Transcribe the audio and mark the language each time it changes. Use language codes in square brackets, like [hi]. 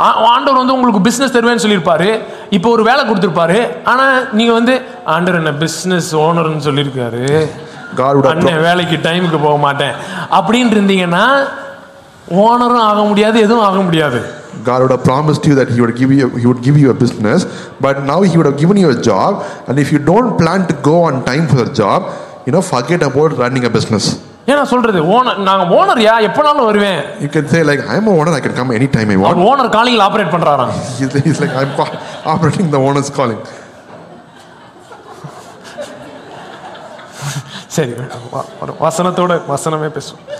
[ta] ஆண்டவர் வந்து உங்களுக்கு பிசினஸ் தருவேன் சொல்லிருப்பாரு, இப்ப ஒரு வேலை கொடுத்திருப்பாரு, ஆனா நீங்க வந்து ஆண்டவர் என்ன பிசினஸ் ஓனர் சொல்லிருக்காரு, அண்ணன் வேலைக்கு டைமுக்கு போக மாட்டேன் அப்படின்னு இருந்தீங்கன்னா ஓனரும் ஆக முடியாது, எதுவும் ஆக முடியாது. [en] God would have promised you that he would give you a business, but now he would have given you a job, and if you don't plan to go on time for the job, you know, forget about running a business. [ta] ஏன் சொல்றது owner, நான் owner யா, எப்பனாலும் வருவேன். [en] You can say like, I am a owner, I can come any time I want. [ta] Owner calling operate பண்றாராம். [en] He's like, I'm operating the owner's calling. [ta] சரி, வசனத்தோட வசனமே பேசு.